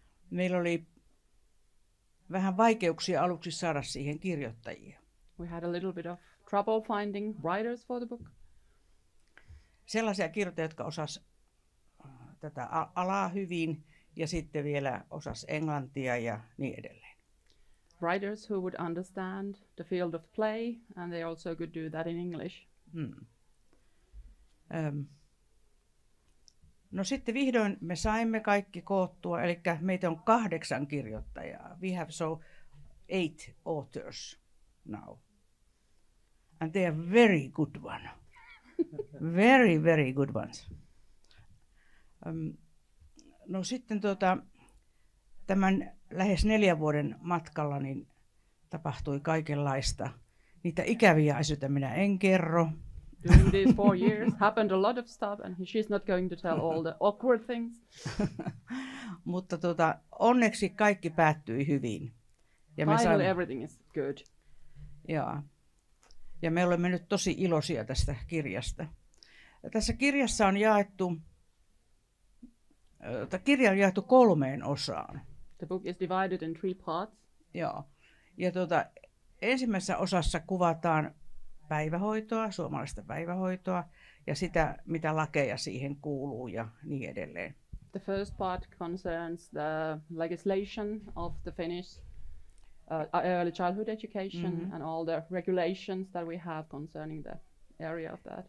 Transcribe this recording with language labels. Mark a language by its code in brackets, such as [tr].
[fi] Meillä oli vähän vaikeuksia aluksi saada siihen kirjoittajia. [en] We had a little bit of trouble finding writers for the book. [fi] Sellaisia kirjoittajia, jotka osas tätä alaa hyvin ja sitten vielä osas englantia ja niin edelleen. [en] Writers who would understand the field of play and they also could do that in English. [fi] No sitten vihdoin me saimme kaikki koottua, eli meitä on 8 kirjoittajaa. [en] We have so 8 authors now. And they are very good ones. Very, very good ones. [fi] No sitten tämän lähes 4 vuoden matkalla niin tapahtui kaikenlaista. Niitä ikäviä asioita minä en kerro. [en] During these 4 years happened a lot of stuff and she's not going to tell all the awkward things. [fi] Mutta onneksi kaikki päättyi hyvin. Ja [en] finally everything is good. [fi] Joo. Ja me olemme nyt tosi iloisia tästä kirjasta. Ja tässä kirjassa on jaettu, tämä kirja on jaettu 3 osaan. [en] The book is divided in 3 parts. [fi] Joo. Ja ensimmäisessä osassa kuvataan päivähoitoa, suomalaista päivähoitoa, ja sitä, mitä lakeja siihen kuuluu ja niin edelleen. [en] The first part concerns the legislation of the Finnish early childhood education and all the regulations that we have concerning the area of that.